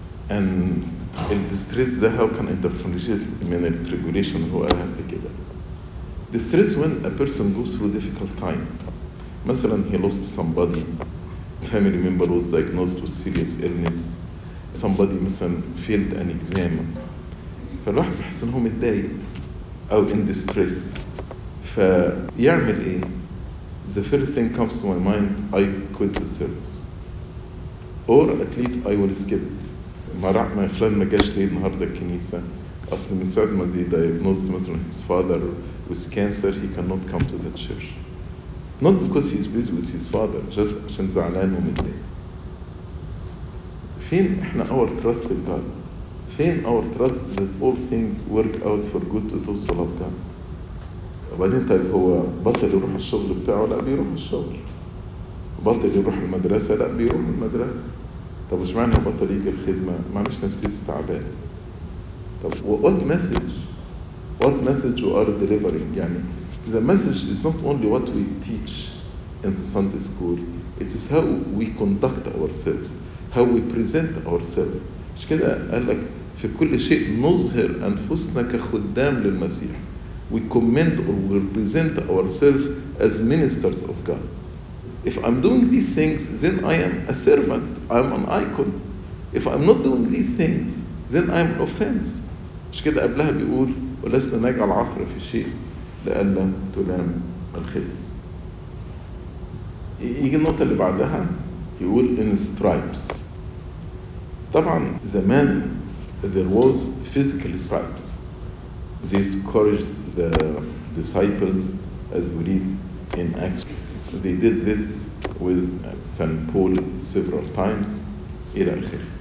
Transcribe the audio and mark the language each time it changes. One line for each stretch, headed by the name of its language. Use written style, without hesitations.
English: And in distress, how can I differentiate من tribulation
Arabic: هو أهم كده.
English: Distress when a person goes through a difficult time. مثلا he lost somebody. Family member was diagnosed with serious illness. Somebody مثلا failed an exam.
Arabic: فالواحد بحس إن هو متضايق أو
English: in distress.
Arabic: فيعمل إيه؟
English: The first thing comes to my mind, I quit the service. Or at least I will skip it.
Arabic: ما راح ما فلان ما جاش ليه النهاردة الكنيسة أصل من ساعة ما زي diagnosed مثلا
English: his father with cancer he cannot come to the church. Not because he's busy with his father, just
Arabic: عشان زعلان ومتضايق. فين إحنا
English: our trust in God? فين our trust that all things work out for good to those who love God?
Arabic: وبعدين طيب هو بطل يروح الشغل بتاعه؟ لا بيروح الشغل. بطل يروح المدرسة؟ لا بيروح المدرسة. طب مش معنى بطل يجي الخدمة؟ معنىش نفسيته تعبانة.
English: طب what message? What message you are delivering? يعني the message is not only what we teach in the Sunday school. It is how we conduct ourselves. How we present ourselves.
Arabic: مش كده قال لك في كل شيء نظهر أنفسنا كخدام للمسيح.
English: We commend or we present ourselves as ministers of God. If I'm doing these things, then I am a servant. I'm an icon. If I'm not doing these things, then I'm an offense.
Arabic: مش كده قبلها بيقول ولسنا نجعل عثرة في شيء لألا تلام الخدمة. يجي النقطة اللي بعدها يقول
English: in stripes.
Arabic: طبعا زمان
English: there was physical stripes. They scourged the disciples, as we read in Acts. They did this with St. Paul several times.
Arabic: إلى آخر.